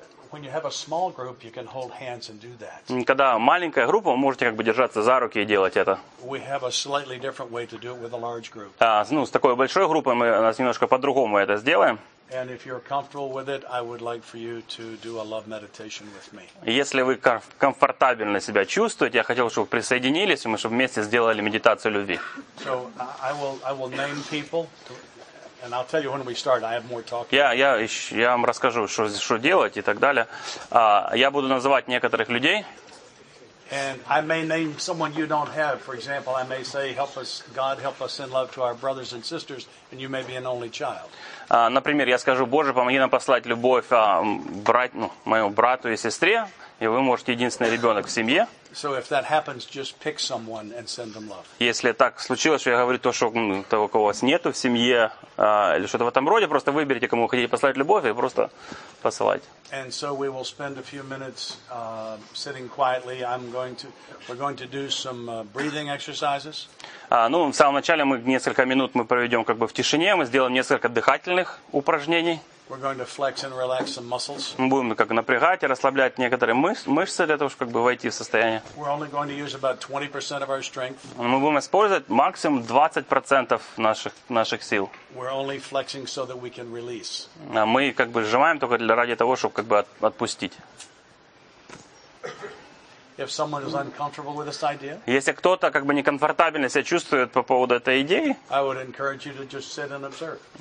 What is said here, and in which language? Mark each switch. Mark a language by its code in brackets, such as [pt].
[en] When you have a small group, you can hold hands and do that. [ru] Когда маленькая группа, вы можете как бы держаться за руки и делать это. [en] We have a slightly different way to do it with a large group. [ru] С такой большой группой мы нас немножко по-другому это сделаем. [en] And if you're comfortable with it, I would like for you to do a love meditation with me. [ru] Если вы комфортабельно себя чувствуете, я хотел, чтобы вы присоединились, и мы чтобы вместе сделали медитацию любви. [en] So I will name people, and I'll tell you when we start. I have more talking. [ru] Я вам расскажу, что делать и так далее. Я буду называть некоторых людей. [en] And I may name someone you don't have. For example, I may say, "Help us, God, help us send love to our brothers and sisters," and you may be an only child. [ru] Например, я скажу: Боже, помоги нам послать любовь моему брату и сестре, и вы можете единственный ребенок в семье. [en] So if that happens, just pick someone and send them love. [ru] Если так случилось, что я говорю то, что того, кого у вас нету в семье, или что-то в этом роде, просто выберите, кому вы хотите послать любовь, и просто посылайте. [en] And so we will spend a few minutes sitting quietly. We're going to do some breathing exercises. [ru] В самом начале мы несколько минут мы проведем как бы в тишине, мы сделаем несколько дыхательных упражнений. [en] We're going to flex and relax some muscles. [ru] Мы будем как напрягать и расслаблять некоторые мышцы для того, чтобы как бы войти в состояние. [en] We're only going to use about 20% of our strength. [ru] Мы будем использовать максимум 20% наших сил. [en] We're only flexing so that we can release. [ru] А мы как бы сжимаем только ради того, чтобы как бы отпустить. [en] If someone is uncomfortable with this idea, [ru] если кто-то как бы некомфортабельно себя чувствует по поводу этой идеи, [en] I would encourage you to just sit and observe.